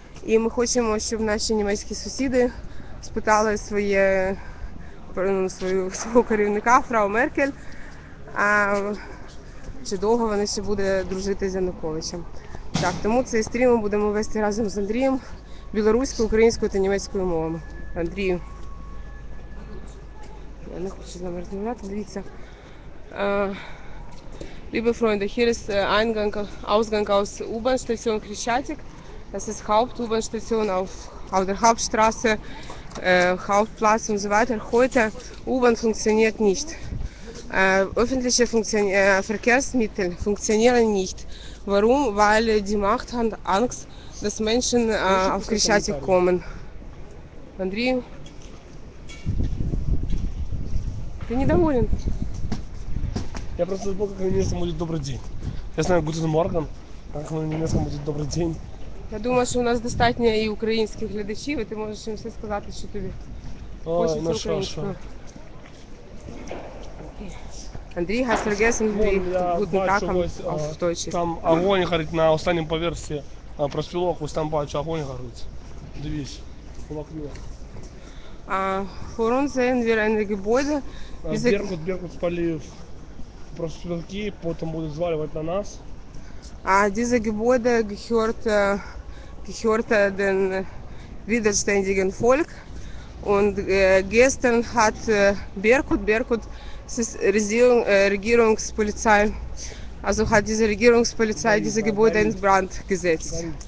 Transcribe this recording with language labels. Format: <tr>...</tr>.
<uk>І ми хочемо, щоб наші німецькі сусіди спитали свого керівника фрау Меркель, чи довго вона ще буде дружити з Януковичем. Так, тому цей стрім ми будемо вести разом з Андрієм білоруською, українською та німецькою мовами. Андрію, я не хочу з нами розмовляти, дивіться.</uk> <de>Liebe Freunde, hier ist Eingang, Ausgang aus U-Bahn-Station Kreschatik. Das ist Haupt-U-Bahn-Station auf der Hauptstraße, Hauptplatz und so weiter. Heute U-Bahn funktioniert nicht. Öffentliche Verkehrsmittel funktionieren nicht. Warum? Weil die Macht hat Angst, dass Menschen auf Kreschatik kommen.</de> <uk>Андрій, ти недоволен? Я просто забув, як на німецькому буде добрий день. Я знаю</uk> <de>«Guten Morgen»,</de> <uk>так на німецькому буде добрий день. Я думаю, що у нас достатньо і українських глядачів, і ти можеш їм все сказати, що тобі хочеться українською.</uk> <de>Андрій, hast vergessen, guten Tag auf Deutsch.</de> <uk>Там огонь горить на останньому поверсі, проспілок, ось там бачу, огонь горить. Дивись, в окно.</uk> <de>Vor uns sehen wir ein Gebäude.</de> <uk>Беркут спали в проспілки, потім будуть звалювати на нас.</uk> <de>Diese Gebäude gehört den widerständigen Volk. Und gestern hat Беркут, es ist Regierungspolizei, also hat diese Regierungspolizei diese Gebäude in Brand gesetzt.</de>